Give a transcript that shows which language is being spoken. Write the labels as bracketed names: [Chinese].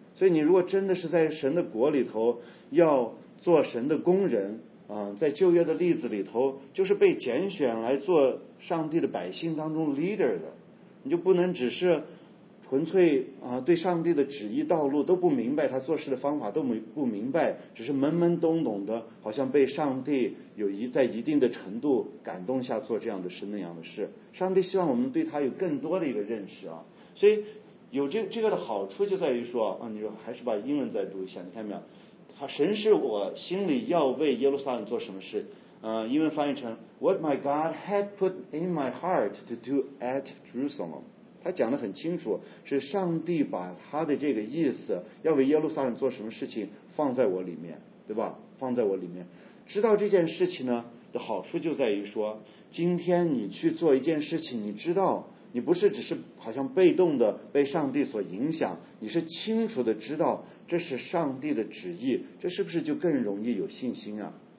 [Chinese] 所以你如果真的是在神的国里头要做神的工人啊，在旧约的例子里头，就是被拣选来做上帝的百姓当中 leader 的，你就不能只是纯粹啊对上帝的旨意道路都不明白，他做事的方法都不明白，只是懵懵懂懂的，好像被上帝有在一定的程度感动下做这样的事那样的事。上帝希望我们对他有更多的一个认识啊，所以有这个的好处就在于说啊，你说还是把英文再读一下，你看没有？他神是我心里要为耶路撒冷做什么事？英文翻译成 [English] What my God had put in my heart to do at Jerusalem。 [Chinese] 他讲得很清楚，是上帝把他的这个意思要为耶路撒冷做什么事情放在我里面，对吧？放在我里面。知道这件事情呢的好处就在于说，今天你去做一件事情，你知道你不是只是好像被动的被上帝所影响，你是清楚的知道这是上帝的旨意，这是不是就更容易有信心啊？